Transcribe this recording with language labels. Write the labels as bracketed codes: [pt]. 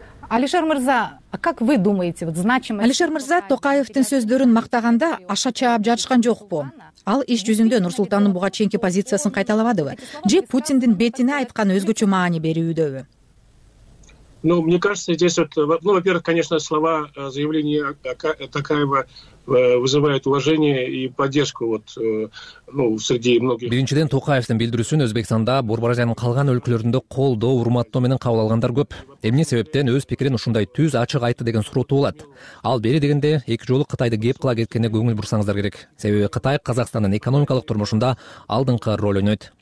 [ru] Алишер мырза, а как вы думаете, вот значимость? [ky] Алишер мырза Токаевдин сөздөрүн мактаганда аша чаап жатышкан жокпу? Ал иш жүзүндө Нурсултандын буга чейинки позициясын кайталабадыбы же Путиндин бетине айткан өзгөчө маани берүүдөбү? [ru] Ну, мне кажется, здесь вот, ну, во-первых, конечно, слова, заявления Токаева вызывают уважение и поддержку вот, ну, среди многих. [ky] Биринчиден Токаевдин билдирүүсүн Өзбекстанда, Борбаражайдын калган өлкөлөрүндө колдоо, урматтоо менен кабыл алгандар көп. Эмне себептен өз пикирин ушундай түз, ачык айтты деген суроо туулат? Ал бери дегенде эки жолу Кытайды кеп кыла кеткенде көңүл бурсаңыздар керек. Себеби Кытай Казакстандын экономикалык турмушунда алдыңкы роль ойнойт.